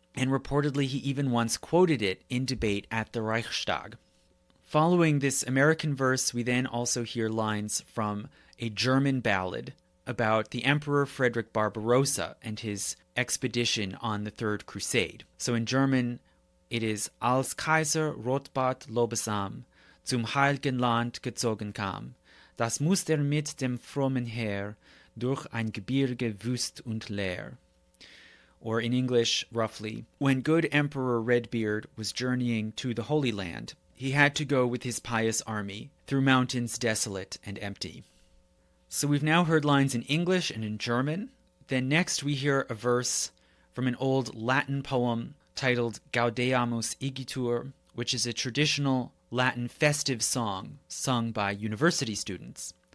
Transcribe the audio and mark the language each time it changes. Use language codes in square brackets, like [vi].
[en] and reportedly he even once quoted it in debate at the Reichstag. Following this American verse, we then also hear lines from a German ballad about the Emperor Frederick Barbarossa and his expedition on the Third Crusade. So in German, it is [de] Als Kaiser Rotbart Lobesam zum Heiligen Land gezogen kam, das musste mit dem frommen Heer durch ein Gebirge wüst und leer. [en] Or in English, roughly, when good Emperor Redbeard was journeying to the Holy Land, he had to go with his pious army through mountains desolate and empty. So we've now heard lines in English and in German. Then next we hear a verse from an old Latin poem titled Gaudeamus Igitur, which is a traditional Latin festive song sung by university students.